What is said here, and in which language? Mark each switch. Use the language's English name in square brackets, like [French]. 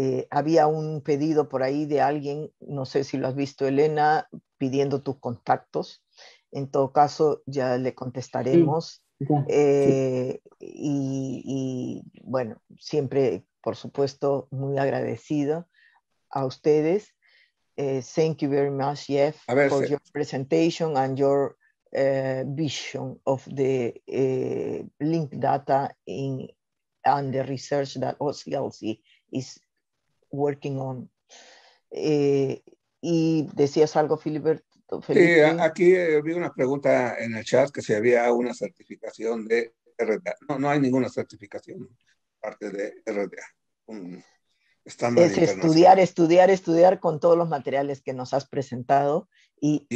[Spanish] Había un pedido por ahí de alguien, no sé si lo has visto, Elena, pidiendo tus contactos. En todo caso, ya le contestaremos. Sí, sí. Y bueno, siempre, por supuesto, muy agradecido a ustedes. [English] Thank you very much, Jeff, for your presentation and your vision of the linked data and the research that OCLC is working on. [Spanish] Y decías algo, Filibert. Sí, aquí vi una pregunta en el chat que si había una certificación de RDA. No, no hay ninguna certificación parte de RDA. Un estándar es estudiar con todos los materiales que nos has presentado y